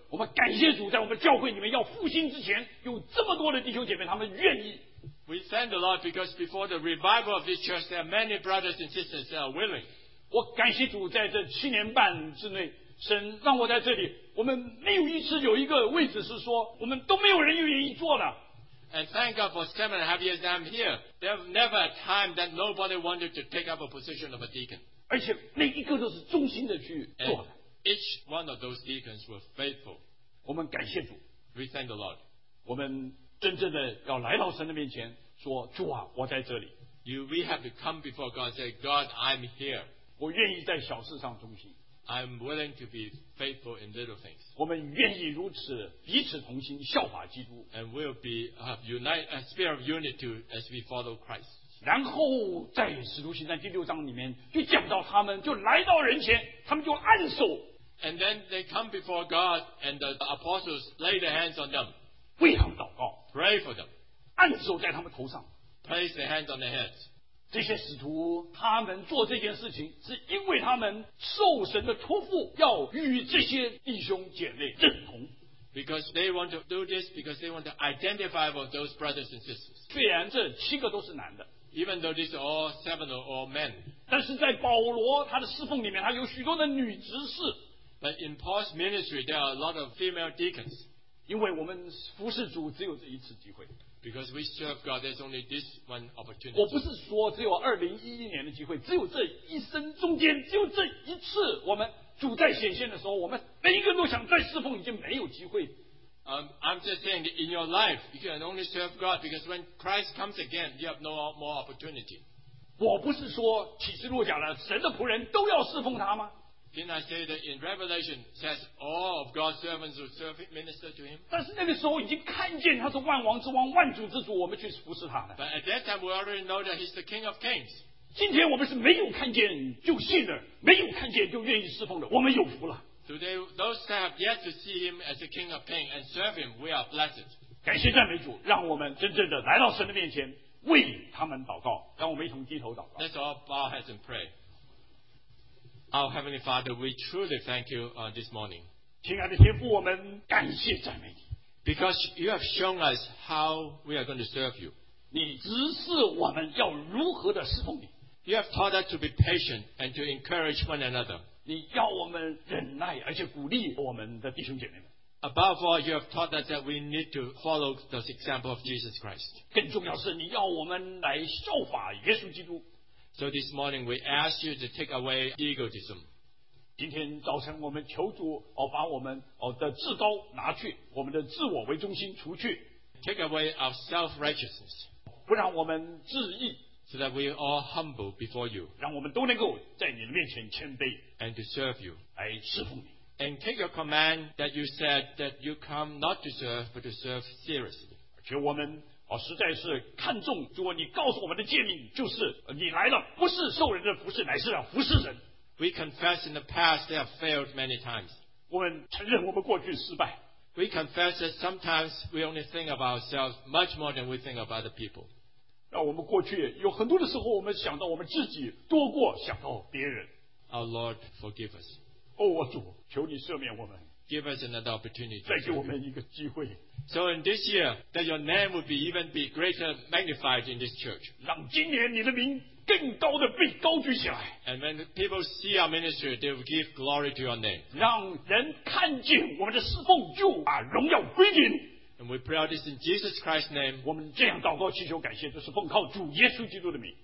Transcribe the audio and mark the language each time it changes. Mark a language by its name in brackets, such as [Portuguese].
[Chinese] 我们感谢主在我们教会里面要复兴之前有这么多的弟兄姐妹他们愿意。 [English] We thank the Lord because before the revival of this church, there are many brothers and sisters that are willing. [Chinese] 我感谢主在这七年半之内神让我在这里我们没有一次有一个位置是说我们都没有人愿意坐的 [English] and thank God for 7.5 years I'm here there's never a time that nobody wanted to take up a position of a deacon [Chinese] 而且每一个都是忠心的去做的 [English] each one of those deacons were faithful [Chinese] 我们感谢主 [English] we thank the Lord [Chinese] 我们真正的要来到神的面前说主啊我在这里 [English] we have to come before God and say God I'm here [Chinese] 我愿意在小事上忠心。 [English] I'm willing to be faithful in little things. [Chinese] 我们愿意如此彼此同心，效法基督。 [English] And we'll be unite a spirit of unity as we follow Christ. [Chinese] 然后在使徒行传第六章里面就讲到他们就来到人前，他们就按手。 [English] And then they come before God and the apostles lay their hands on them. [Chinese] 为他们祷告。 [English] Pray for them. [Chinese] 按手在他们头上。 [English] Place their hands on their heads. [Chinese] 这些使徒他们做这件事情是因为他们受神的托付要与这些弟兄姐妹认同 [English] because they want to do this because they want to identify with those brothers and sisters [Chinese] 虽然这七个都是男的 [English] even though these are all seven are all men [Chinese] 但是在保罗他的侍奉里面他有许多的女执事 [English] but in Paul's ministry there are a lot of female deacons [Chinese] 因为我们服侍主只有这一次机会 [English] Because we serve God, there's only this one opportunity. [Chinese] 我不是说只有2011年的机会，只有这一生中间，只有这一次，我们主在显现的时候，我们每一个人都想再侍奉，已经没有机会。 [English] I'm just saying, in your life, you can only serve God because when Christ comes again, you have no more opportunity. [Chinese] 我不是说启示录讲了神的仆人都要侍奉他吗？ [English] Didn't I say that in Revelation it says all of God's servants will serve minister to him? [Chinese] 但是那个时候已经看见他是万王之王万主之主我们去服侍他了。 [English] But at that time we already know that he's the king of kings. [Chinese] 今天我们是没有看见就信的没有看见就愿意侍奉的我们有福了。 [English] Today those that have yet to see him as the king of kings and serve him we are blessed. [Chinese] 感谢赞美主让我们真正的来到神的面前为他们祷告让我们一同低头祷告。 [English] Let's all bow our heads and pray. Our Heavenly Father, we truly thank you this morning. [Chinese] 亲爱的天父，我们感谢赞美你。 [English] Because you have shown us how we are going to serve you. [Chinese] 你指示我们要如何的侍奉你。 [English] You have taught us to be patient and to encourage one another. [Chinese] 你要我们忍耐，而且鼓励我们的弟兄姐妹们。 [English] Above all, you have taught us that we need to follow the example of Jesus Christ. [Chinese] 更重要是你要我们来效法耶稣基督。 [English] So this morning we ask you to take away egotism. [Chinese] 今天早晨我们求主哦把我们哦的至高拿去，我们的自我为中心除去。 [English] Take away our self-righteousness. [Chinese] 不让我们自义。 [English] So that we are all humble before you. [Chinese] 让我们都能够在你的面前谦卑。 [English] And to serve you. [Chinese] 来侍奉你。 [English] And take your command that you said that you come not to serve but to serve seriously. [Chinese] 而且我们。哦、实在是看重主你告诉我们的诫命就是你来了不是受人的服侍乃是要服侍人 [English] We confess in the past they have failed many times [Chinese] 我们承认我们过去失败 [English] We confess that sometimes we only think of ourselves much more than we think of other people [Chinese] 让我们过去有很多的时候我们想到我们自己多过想到别人 [English] Our Lord forgive us [Chinese] 哦，我主求你赦免我们 [English] Give us another opportunity [Chinese] 再给我们一个机会 [English] So in this year, that your name would be even be greater magnified in this church. [Chinese] 让今年你的名更高的被高举起来。 [English] And when people see our ministry, they will give glory to your name. [Chinese] 让人看见我们的侍奉就把荣耀归给你。 [English] And we pray all this in Jesus Christ's name. [Chinese] 我们这样祷告祈求感谢，就是奉靠主耶稣基督的名。